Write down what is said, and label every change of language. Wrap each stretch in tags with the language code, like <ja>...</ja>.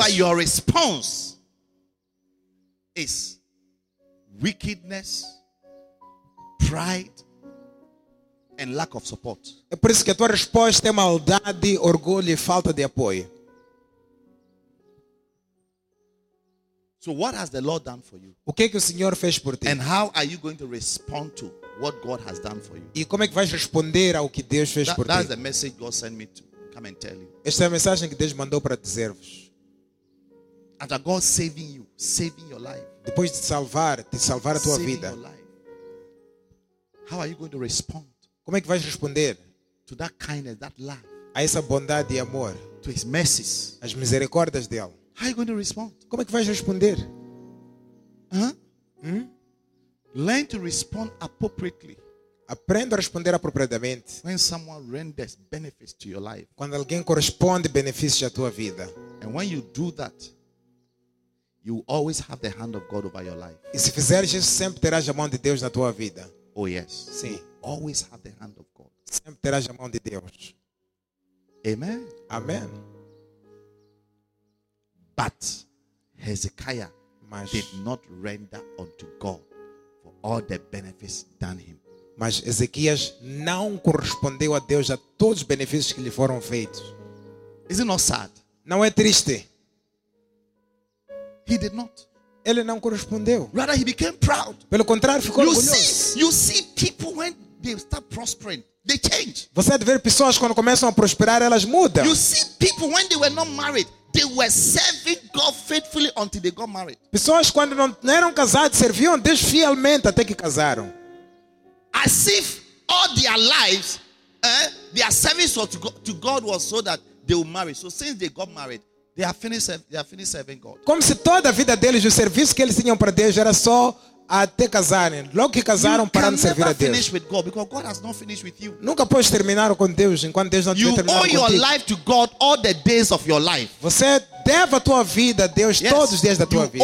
<en>That is why your response is wickedness, pride, and lack of support.</en> <pt>É por isso que a tua resposta é maldade, orgulho e falta de apoio.</pt> <en>So what has the Lord done for you?</en> <pt>O que é que o Senhor fez por ti?</pt> <en>And how are you going to respond to what God has done for you?</en> <pt>E como é que vais responder ao que Deus fez por ti?</pt> <en>That's the message God sent me to come and tell you.</en> <pt>Esta é a mensagem que Deus mandou para dizer-vos.</pt> <en>After God saving you, saving your life.</en> <pt>Depois de salvar, a tua vida.</pt> <en>Your life, how are you going to respond?</en> <pt>Como é que vais responder</pt> <en>to that kindness, that love?</en> <pt>A essa bondade e amor.</pt> <en>To his mercies.</en> <pt>As misericórdias dele.</pt> <en>How are you going to respond?</en> <pt>Como é que vais responder?</pt> <en>Learn to respond appropriately.</en> <pt>Aprenda a responder apropriadamente.</pt> <en>When someone renders benefits to your life.</en> <pt>Quando alguém corresponde benefícios à tua vida.</pt> <en>And when you do that, you always have the hand of God over your life.</en> <pt>E se fizeres isso, sempre terás a mão de Deus na tua vida.</pt> <en>Oh yes.</en> <pt>Sim.</pt> <en>You always have the hand of God.</en> <pt>Sempre terás a mão de Deus.</pt> <en>Amen.</en> <pt>Amen.</pt> <en>But Hezekiah did not render unto God for all the benefits done him.</en> <pt>Mas Ezequias não correspondeu a Deus a todos os benefícios que lhe foram feitos.</pt> <en>Is it not sad?</en> <pt>Não é triste?</pt> <en>He did not.</en> <pt>Ele não correspondeu.</pt> <en>Rather, he became proud.</en> <pt>Pelo contrário, ficou orgulhoso.</pt> <en>You see people when they start prospering, they change.</en> <pt>Você vê pessoas quando começam a prosperar, elas mudam.</pt> <en>You see people when they were not married, they were serving God faithfully until they got married.</en> <pt>Pessoas quando não eram casadas serviam Deus fielmente até que casaram.</pt> <en>As if all their lives, their service was to God was so that they will marry. So since they got married, they are finished serving God.</en> <pt>Como se toda a vida deles, o serviço que eles tinham para Deus era só até casarem. Logo que casaram, pararam de servir a Deus.</pt> <en>You can never finish with God because God has not finished with you.</en> <pt>Nunca podes terminar com Deus enquanto Deus não terminou contigo.</pt> <en>You owe your life to God all the days of your life.</en> <pt>Você deve a tua vida a Deus todos os dias da tua vida.</pt>